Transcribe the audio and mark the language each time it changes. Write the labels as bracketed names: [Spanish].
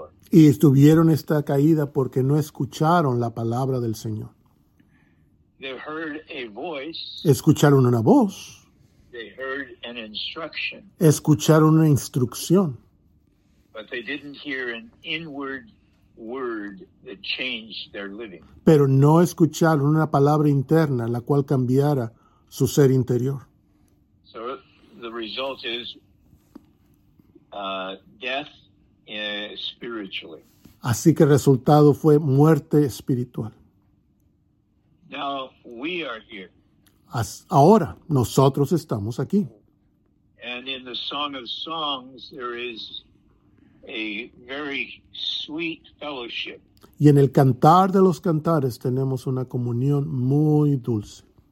[Spanish] Y tuvieron esta caída porque no escucharon la palabra del Señor. [English] They heard a voice. [Spanish] Escucharon una voz. [English] They heard an instruction. [Spanish] Escucharon una instrucción. [English] But they didn't hear an inward word that changed their living. [Spanish] Pero no escucharon una palabra interna la cual cambiara su ser interior. [English] So the result is death spiritually. [Spanish] Así que el resultado fue muerte espiritual. [English] Now we are here. [Spanish] Ahora, nosotros estamos aquí. [English] And in the Song of Songs, there is a very sweet fellowship. [Spanish] Y en el Cantar de los Cantares tenemos una comunión muy dulce.